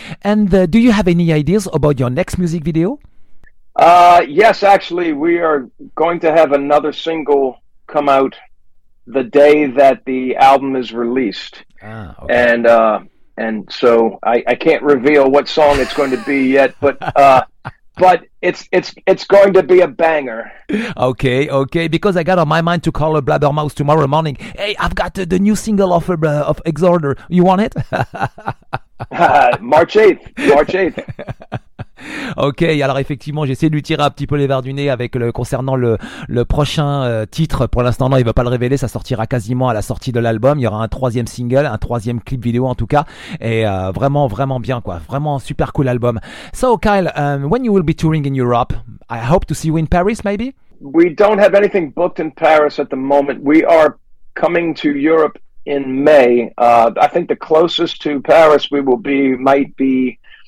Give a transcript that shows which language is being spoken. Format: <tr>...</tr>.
<en>And do you have any ideas about your next music video? Yes, actually, we are going to have another single come out the day that the album is released. Ah, okay. And so I can't reveal what song it's going to be yet, but it's going to be a banger. Okay, because I got on my mind to call a Blabbermouth tomorrow morning. Hey, I've got the new single of Exhorter. You want it? March 8th.</en> <fr>Ok, alors effectivement, j'essaie de lui tirer un petit peu les verres du nez avec concernant le prochain titre. Pour l'instant, non, il ne veut pas le révéler. Ça sortira quasiment à la sortie de l'album. Il y aura un troisième single, un troisième clip vidéo en tout cas. Et vraiment, vraiment bien, quoi. Vraiment super cool l'album.</fr> <en>So, Kyle, when you will be touring in Europe, I hope to see you in Paris, maybe? We don't have anything booked in Paris at the moment. We are coming to Europe in May. I think the closest to Paris we will be might be</en>